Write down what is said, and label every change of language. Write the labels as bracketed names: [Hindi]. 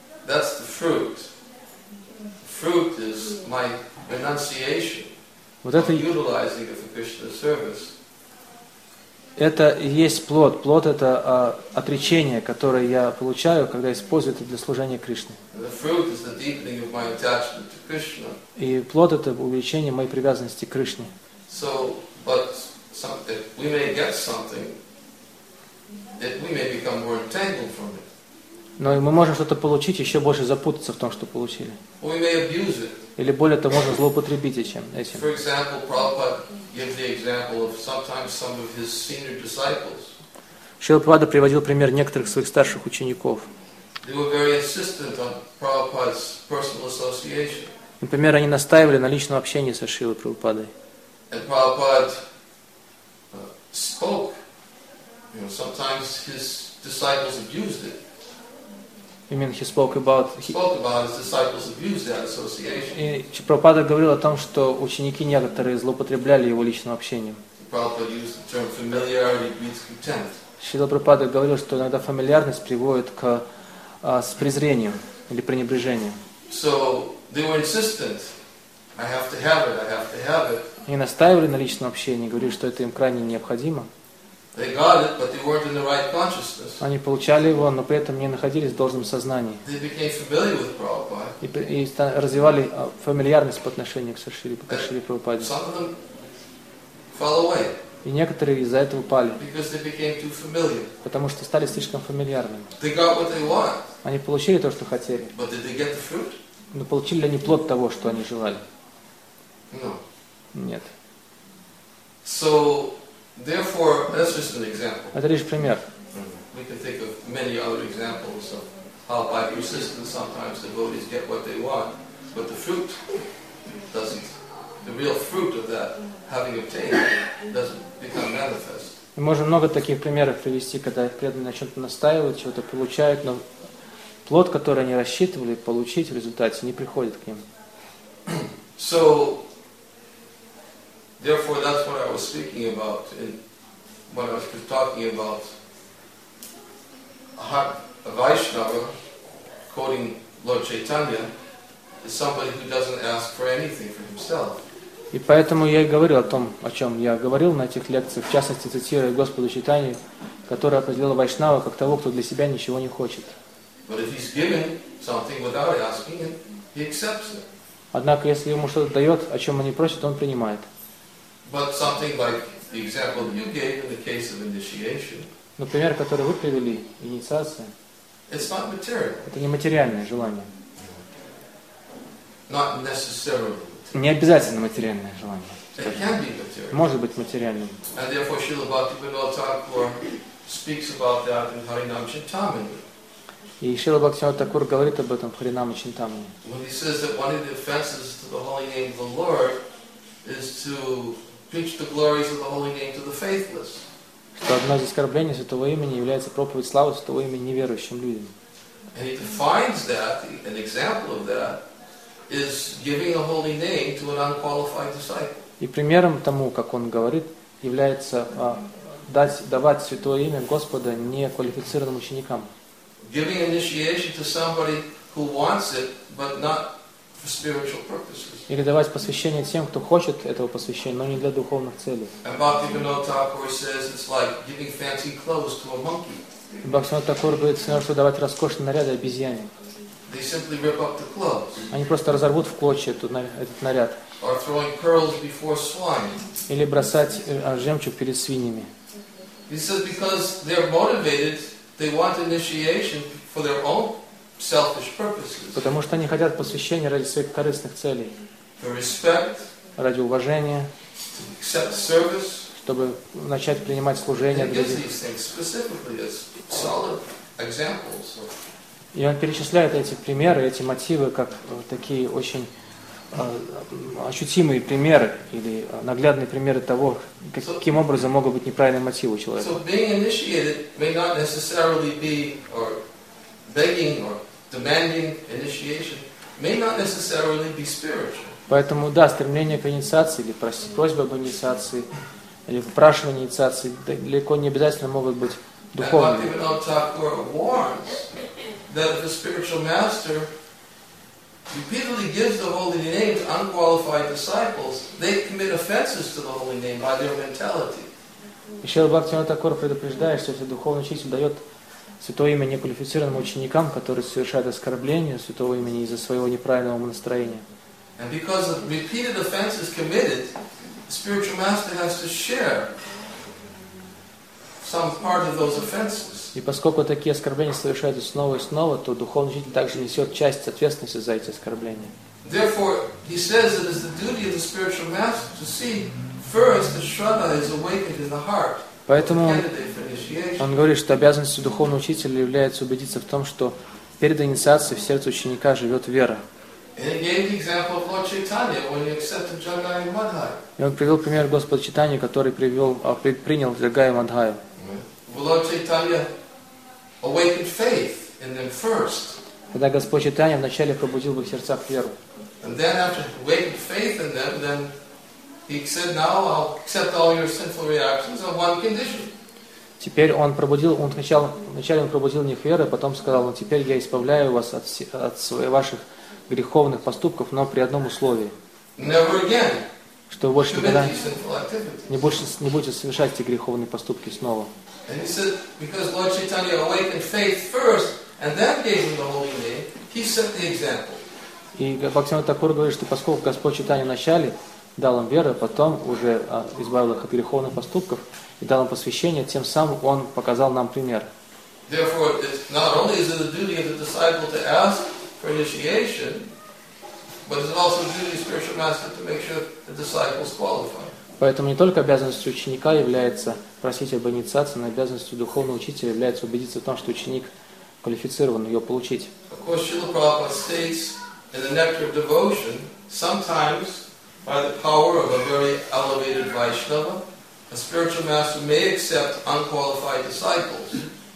[English] That's the fruit. Fruit is my renunciation. [Russian] Вот это [English] utilizing of the Krishna service. [Russian] Это и есть плод. Плод – это отречение, которое я получаю, когда использую это для служения Кришне. [English] The fruit is the deepening of my attachment to Krishna. [Russian] И плод – это увеличение моей привязанности к Кришне. [English] So, but if we may get something, that we may become more entangled from it. [Russian] Но мы можем что-то получить, еще больше запутаться в том, что получили. [English] We may abuse it. [Russian] Или более того, можно злоупотребить этим. [English] For example, Prabhupada gives the example of sometimes some of his senior disciples. [Russian] Шрила Прабхупада приводил пример некоторых своих старших учеников. [English] They were very insistent on Prabhupada's personal association. [Russian] Например, они настаивали на личном общении со Шрилой Прабхупадой. [English] And Prabhupada spoke. You know, sometimes his disciples abused it. You mean he spoke about his disciples abused that association. [Russian] И Прабхупада говорил о том, что ученики некоторые злоупотребляли его личным общением. [English] Prabhupada used the term familiarity means contempt. [Russian] Шрила Прабхупада говорил, что иногда фамильярность приводит к с презрением или пренебрежением. [English] So they were insistent. I have to have it. I have to have it. [Russian] Они настаивали на личном общении, говорили, что это им крайне необходимо. [English] They got it, but they weren't in the right consciousness. [Russian] Они получали его, но при этом не находились в должном сознании. [English] They became familiar with Prabhupada. [Russian] И развивали фамильярность по отношению к Шриле Прабхупаде. [English] Some of them fell away. [Russian] И некоторые из-за этого пали. [English] Because they became too familiar. [Russian] Потому что стали слишком фамильярными. [English] They got what they want. [Russian] Они получили то, что хотели. [English] But did they get the fruit? [Russian] Но получили ли они плод того, что они желали? [English] No. [Russian] Нет. [English] So, therefore, that's just an example. [Russian] Это лишь пример. [English] We can think of many other examples of how by persistence sometimes devotees get what they want, but the fruit doesn't. The real fruit of that having obtained doesn't become manifest. [Russian] Мы можем много таких примеров привести, когда преданные на чем-то настаивают, чего-то получают, но плод, который они рассчитывали получить в результате, не приходит к ним. [English] So. Therefore, that's what I was speaking about in when I was talking about a Vaishnava, quoting Lord Chaitanya, is somebody who doesn't ask for anything for himself. [Russian] И поэтому я и говорил о том, о чем я говорил на этих лекциях, в частности, цитируя Господа Чайтанью, который определил Вайшнава как того, кто для себя ничего не хочет. [English] But if he's given something without asking, he accepts it. [Russian] Однако, если ему что-то дает, о чем он не просит, он принимает. [English] But something like the example you gave in the case of initiation. [Russian] Например, который вы привели, инициация. [English] It's not material. [Russian] Это не материальное желание. [English] Not necessarily. [Russian] Не обязательно материальное желание. [English] It can be material. [Russian] Может быть материальным. [English] And therefore, Srila Bhaktivinoda Thakur speaks about that in Harinam Chintamani. [Russian] И Шрила Бхактивинода Такур говорит об этом в Харинаме Чинтамани. [English] When he says that one of the offenses to the holy name of the Lord is to preach the glories of the holy name to the faithless. [Russian] Что одно из оскорблений святого имени является проповедь славы святого имени неверующим людям. [English] And he defines that, an example of that, is giving a holy name to an unqualified disciple. [Russian] И примером тому, как он говорит, является давать святое имя Господа неквалифицированным ученикам. [English] Giving initiation to somebody who wants it, but not for spiritual purposes. [Russian] Или давать посвящение тем, кто хочет этого посвящения, но не для духовных целей. [English] And Bhaktivinoda Thakur says it's like giving fancy clothes to a monkey. [Russian] Бхактивинода Тхакур говорит, что давать роскошные наряды обезьяне. [English] They simply rip up the clothes. [Russian] Они просто разорвут в клочья этот наряд. [English] Or throwing pearls before swine. [Russian] Или бросать жемчуг перед свиньями. [English] He says because they are motivated, they want initiation for their own selfish purposes. [Russian] Потому что они хотят посвящения ради своих корыстных целей. [English] For respect. [Russian] Ради уважения. [English] To accept service. [Russian] Чтобы начать принимать служение других. И он перечисляет эти примеры, эти мотивы, как такие очень ощутимые примеры или наглядные примеры того, каким образом могут быть неправильные мотивы у человека. [English] So being initiated may not necessarily be, or begging or demanding initiation may not necessarily be spiritual. [Russian] Поэтому да, стремление к инициации или просьба об инициации или выпрашивание инициации далеко не обязательно могут быть духовными. [English] And Bhaktivinoda Thakur warns that the spiritual master repeatedly gives the holy name to unqualified disciples, they commit offenses to the holy name by their mentality. [Russian] Шрила Бхактивинода Тхакура предупреждает, что если духовный учитель дает святое имя неквалифицированным ученикам, которые совершают оскорбление святого имени из-за своего неправильного настроения. [English] And because of repeated offenses committed, the spiritual master has to share some part of those offenses. [Russian] И поскольку такие оскорбления совершаются снова и снова, то духовный учитель также несет часть ответственности за эти оскорбления. [English] Therefore, he says it is the duty of the spiritual master to see first that Shraddha is awakened in the heart. [Russian] Поэтому он говорит, что обязанностью духовного учителя является убедиться в том, что перед инициацией в сердце ученика живет вера. [English] And he gave the example of Lord Chaitanya when he accepted Jagai Madhai. [Russian] И он привел пример Господа Чайтаньи, который принял Джагая Мадхаю. [English] Lord Chaitanya awakened faith in them first. [Russian] Когда Господь Чайтанья вначале пробудил в их сердцах веру. [English] And then after he awakened faith in them, then he said, "Now I'll accept all your sinful reactions on one condition." [Russian] Теперь он пробудил, он вначале он пробудил в них веру, потом сказал: "Ну теперь я избавляю вас от ваших греховных поступков, но при одном условии." [English] Never again. [Russian] Что вы больше никогда не будете совершать эти греховные поступки снова. [English] And he said, because Lord Chaitanya awakened faith first and then gave him the holy name, he set the example. [Russian] И Бхактивинода Тхакур говорит, что поскольку Господь Чайтанья вначале дал им веру, потом уже избавил их от греховных поступков и дал им посвящение, тем самым он показал нам пример. [English] Therefore, not only is it the duty of the disciple to ask for initiation, but it's also the duty of the spiritual master to make sure the disciples qualify. [Russian] Поэтому не только обязанностью ученика является просить об инициации, но обязанностью духовного учителя является убедиться в том, что ученик квалифицирован ее получить. [English] Of course, Srila Prabhupada states in the Nectar of Devotion, sometimes by the power of a very elevated Vaishnava, a spiritual master may accept unqualified disciples.